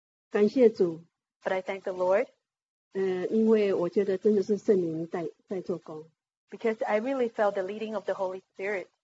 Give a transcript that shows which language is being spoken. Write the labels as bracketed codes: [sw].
[zh] 感谢主。 [en] But I thank the Lord. [zh] 因为我觉得真的是圣灵在做工。 [en] Because I really felt the leading of the Holy Spirit.